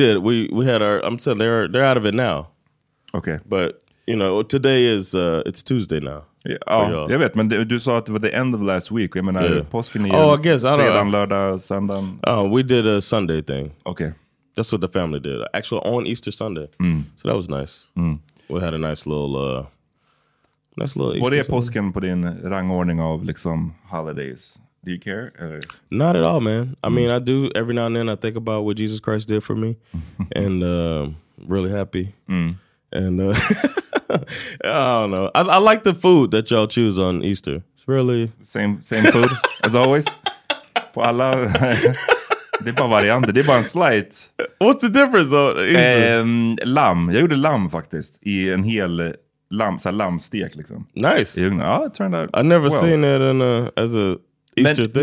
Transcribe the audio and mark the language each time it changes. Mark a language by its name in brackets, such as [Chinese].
[English] We had our, I'm saying they're out of it now. Okay. But, you know, today is, it's Tuesday now. [Swedish] Ja, jag vet, men du sa att det var [English] the end of last week. [Swedish] Jag menar, påsken är redan lördag, söndag. [English] We did a Sunday thing. Okay. That's what the family did. Actually, on Easter Sunday. Mm. So that was nice. Mm. We had a nice little Easter Sunday. [Swedish] Vad är påsken på din rangordning av liksom holidays? [English] Do you care? Or? Not at all, man. I mean, I do every now and then. I think about what Jesus Christ did for me. And really happy. Mm. And I don't know. I like the food that y'all choose on Easter. It's really... Same food, as always. [Swedish] På alla... Det är bara varianter, det är bara en slight. [English] What's the difference though? [Swedish] Lamm, jag gjorde lamm faktiskt. I en hel lamm, såhär lammstek liksom. [English] Nice. Ja, it turned out I've never seen it in a, as a Easter [Swedish] men, [English] thing.